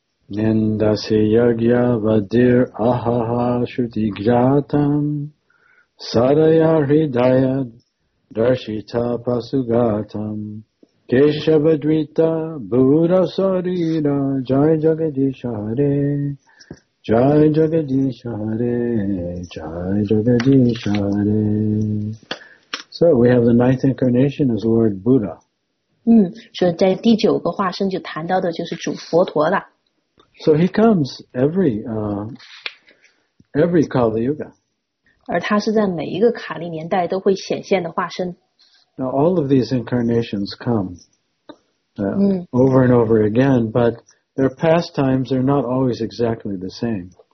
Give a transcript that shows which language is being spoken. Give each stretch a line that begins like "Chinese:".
Sanskrit: Nindasi yagya vadir ahaha shuti gjatam Sadaya hridaya darshita pasugatam Keshavadrita Buddha Sarira Jai Jagadish Hare Jai Jagadish Hare Jai Jagadish Hare.
English: So we have the ninth incarnation as Lord Buddha.
Chinese: 所以在第九个化身就谈到的就是主佛陀了。
English: So he comes every Kali Yuga.
Chinese: 而他是在每一个卡利年代都会显现的化身。
English: Now all of these incarnations come over and over again, but their pastimes are not always exactly the same.